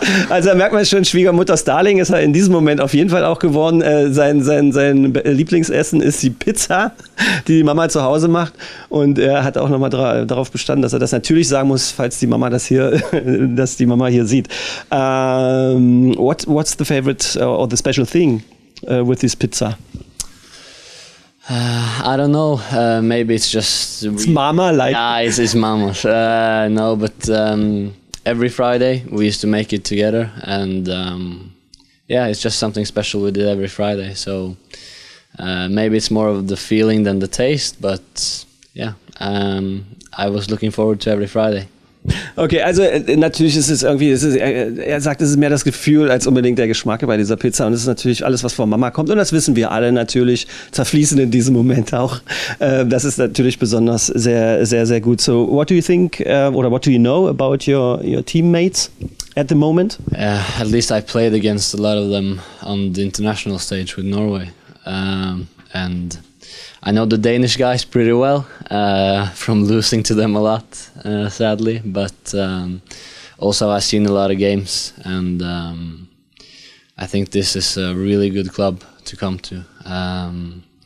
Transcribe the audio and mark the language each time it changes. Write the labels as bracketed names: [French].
[German] Also da merkt man schon, Schwiegermutters Darling ist er in diesem Moment auf jeden Fall auch geworden. Sein Lieblingsessen ist die Pizza, die die Mama zu Hause macht. Und er hat auch nochmal darauf bestanden, dass er das natürlich sagen muss, falls die Mama das hier, dass die Mama hier sieht. [English] What's the favorite or the special thing with this pizza? I don't know. Maybe it's just... It's mama, like... Yeah, it's mama. No, but every Friday we used to make it together. And yeah, it's just something special we did every Friday. So maybe it's more of the feeling than the taste. But yeah, I was looking forward to every Friday. [German] Okay, also natürlich ist es irgendwie, er sagt, es ist mehr das Gefühl als unbedingt der Geschmack bei dieser Pizza und es ist natürlich alles, was von Mama kommt und das wissen wir alle natürlich, zerfließen in diesem Moment auch. Das ist natürlich besonders sehr, sehr, sehr gut. [English] So, what do you think or what do you know about your teammates at the moment? At least I played against a lot of them on the international stage with Norway and I know the Danish guys pretty well, from losing to them a lot, sadly, but also I've seen a lot of games and I think this is a really good club to come to.